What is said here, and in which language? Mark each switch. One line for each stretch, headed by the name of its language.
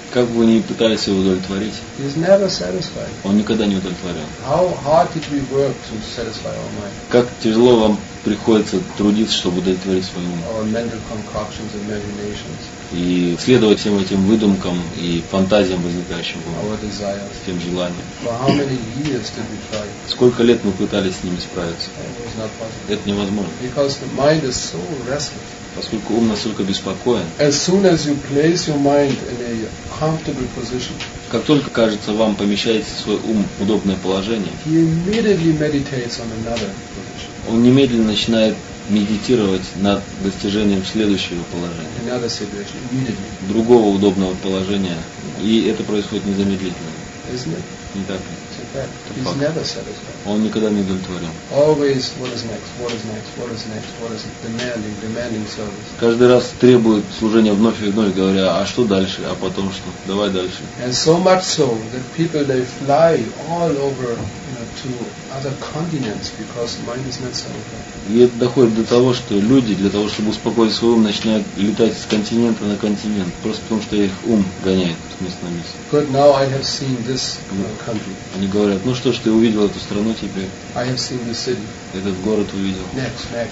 Russian: как бы вы ни пытались его удовлетворить,
English: he's never satisfied.
Russian: Он никогда не удовлетворен.
English: How hard it we work to satisfy our mind.
Russian: Как тяжело вам приходится трудиться, чтобы удовлетворить свой ум.
English: Our mental concoctions, imaginations.
Russian: И следовать всем этим выдумкам и фантазиям, возникающим в ум.
English: Our desires.
Russian: Тем желанием.
English: For how many years did we try?
Russian: Сколько лет мы пытались с ними справиться? Это невозможно.
English: Because the mind is so restless.
Russian: Поскольку ум настолько беспокоен.
English: As soon as you place your mind in a comfortable position,
Russian: как только кажется вам помещаете свой ум в удобное положение,
English: he immediately meditates on another position.
Russian: Он немедленно начинает медитировать над достижением следующего положения,
English: another situation, immediately.
Russian: Другого удобного положения, и это происходит незамедлительно.
English: Isn't it?
Russian: Не так.
English: He's never satisfied.
Russian: Он никогда не удовлетворен.
English: Always, what is next? What is next? What is next? What is it? Demanding service.
Russian: Каждый раз требует служения вновь и вновь, говоря, а что дальше? А потом что? Давай дальше.
English: And so much so that people they fly all over, you know, to other continents because mind is not satisfied.
Russian: И это доходит до того, что люди для того, чтобы успокоить свой ум, начинают летать с континента на континент просто потому, что их ум гоняет с места на место.
English: But now I have seen this country.
Russian: Они говорят, ну что ж, ты увидел эту страну теперь.
English: I have seen the city.
Russian: Этот город увидел.
English: Next.